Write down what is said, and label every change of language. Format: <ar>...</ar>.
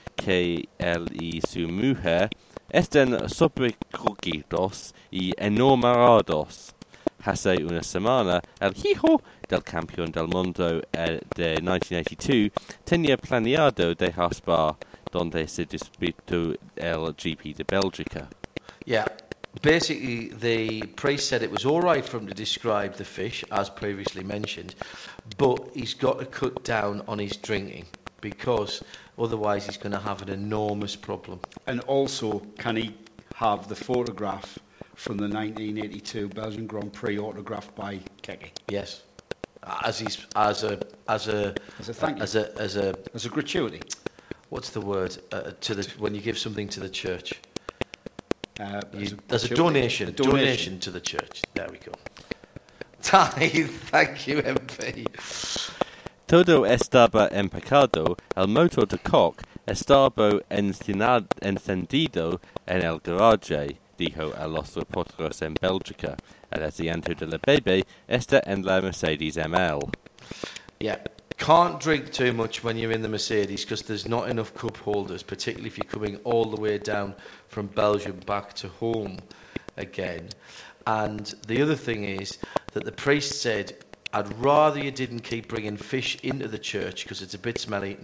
<es>que él y su mujer estén sobrecogidos y enamorados hace una semana. El hijo del campeón del mundo de 1982 tenía planeado dejar Spa, donde se disputó el GP de Bélgica.</es> <en>Yeah, basically the priest said it was all right for him to describe the fish, as previously mentioned, but he's got to cut down on his drinking, because otherwise he's going to have an enormous problem. And also, can he have the photograph from the 1982 Belgian Grand Prix autographed by Keke? Yes, as a gratuity. What's the word to the when you give something to the church? As a donation to the church. There we go. Ty, thank you, MP.</en> <es>Todo estaba empacado, el motor de Koch estaba encendido en el garage, dijo a los reporteros en Bélgica. El asiento de la bebé está en la Mercedes ML.</es> <en>Yeah, can't drink too much when you're in the Mercedes because there's not enough cup holders, particularly if you're coming all the way down from Belgium back to home again. And the other thing is that the priest said, I'd rather you didn't keep bringing fish into the church because it's a bit smelly.</en>